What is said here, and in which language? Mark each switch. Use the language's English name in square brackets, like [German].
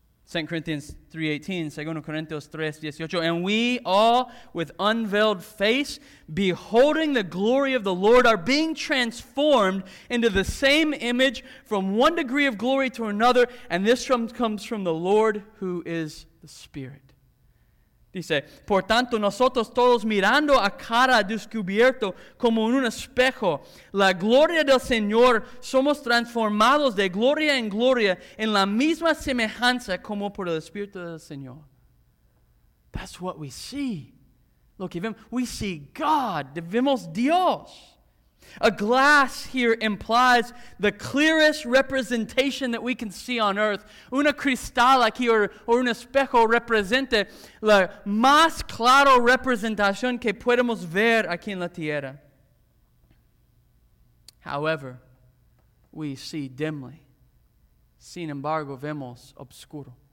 [English] 2 Corinthians 3:18, 2 Corinthians 3:18, and we all, with unveiled face, beholding the glory of the Lord, are being transformed into the same image from one degree of glory to another, and this comes from the Lord who is the Spirit. [Spanish] Dice, por tanto, nosotros todos mirando a cara descubierto como en un espejo, la gloria del Señor, somos transformados de gloria en gloria en la misma semejanza como por el Espíritu del Señor. [English] That's what we see. [Spanish] Lo que vemos, [English] we see God, [Spanish] vemos Dios. [English] A glass here implies the clearest representation that we can see on earth. [Spanish] Una cristal aquí o un espejo representa la más clara representación que podemos ver aquí en la tierra. [English] However, we see dimly. [Spanish] Sin embargo, vemos obscuro.